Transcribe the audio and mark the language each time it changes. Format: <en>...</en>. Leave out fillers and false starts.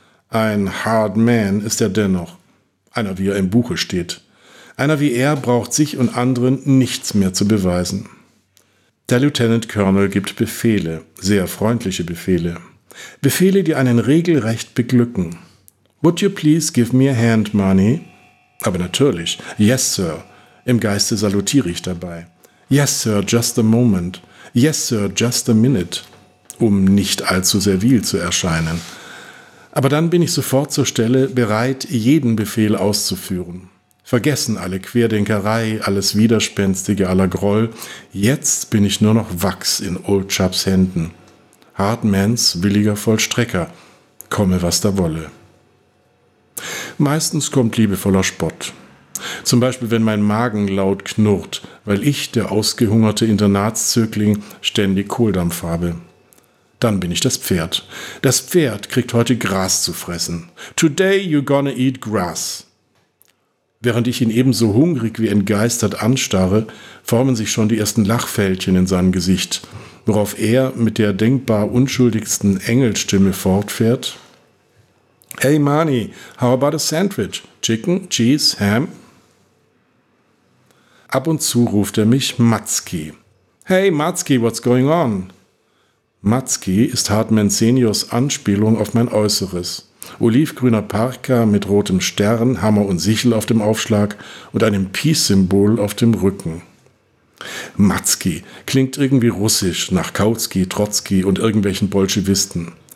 <de>Ein Hard Man ist er dennoch. Einer, wie er im Buche steht. Einer wie er braucht sich und anderen nichts mehr zu beweisen. Der Lieutenant Colonel gibt Befehle, sehr freundliche Befehle. Befehle, die einen regelrecht beglücken.</de> <en>Would you please give me a hand, Manny?</en> <de>Aber natürlich.</de> <en>Yes, sir.</en> <de>Im Geiste salutiere ich dabei.</de> <en>Yes, sir, just a moment. Yes, sir, just a minute.</en> <de>Um nicht allzu servil zu erscheinen. Aber dann bin ich sofort zur Stelle, bereit, jeden Befehl auszuführen. Vergessen alle Querdenkerei, alles Widerspenstige aller Groll. Jetzt bin ich nur noch Wachs in Old Chubs Händen. Hardmans williger Vollstrecker. Komme, was da wolle. Meistens kommt liebevoller Spott. Zum Beispiel, wenn mein Magen laut knurrt, weil ich, der ausgehungerte Internatszögling, ständig Kohldampf habe. Dann bin ich das Pferd. Das Pferd kriegt heute Gras zu fressen.</de> <en>Today you're gonna eat grass.</en> <de>Während ich ihn ebenso hungrig wie entgeistert anstarre, formen sich schon die ersten Lachfältchen in seinem Gesicht, worauf er mit der denkbar unschuldigsten Engelstimme fortfährt.</de> <en>Hey Manny, how about a sandwich? Chicken, cheese, ham?</en> <de>Ab und zu ruft er mich Matzki.</de> <en>Hey Matzki, what's going on?</en> <de>Matzki ist Hardman Seniors Anspielung auf mein Äußeres. Olivgrüner Parka mit rotem Stern, Hammer und Sichel auf dem Aufschlag und einem Peace-Symbol auf dem Rücken. Matzki klingt irgendwie russisch nach Kautsky, Trotzki und irgendwelchen Bolschewisten.</de>